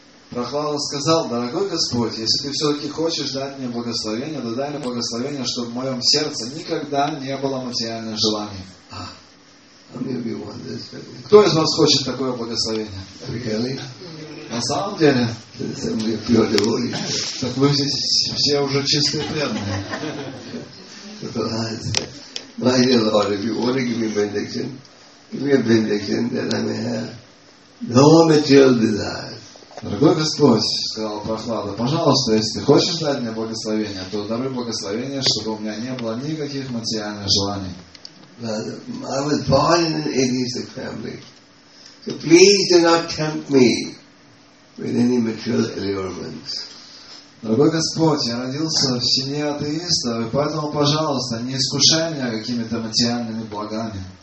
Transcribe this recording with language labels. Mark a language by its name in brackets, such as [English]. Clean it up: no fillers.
[Russian] Прохлада сказал, дорогой Господь, если ты все-таки хочешь дать мне благословение, то дай мне благословение, чтобы в моем сердце никогда не было материальных желаний. Кто из вас хочет такое благословение? [English] Really? [Russian] На самом деле? [English] Really? [Russian] Так вы здесь все уже чистые преданные. [English] My dear Lord, if you want to give me a benediction that I may have no material desire. [Russian] Дорогой Господь, сказал Прохлада, пожалуйста, если ты хочешь дать мне благословение, то даруй благословение, чтобы у меня не было никаких материальных желаний. [English] I was born in an atheistic family. So please do not tempt me with any material allurements. [Russian] Дорогой Господь, я родился в семье атеистов, и поэтому, пожалуйста, не искушай меня какими-то материальными благами.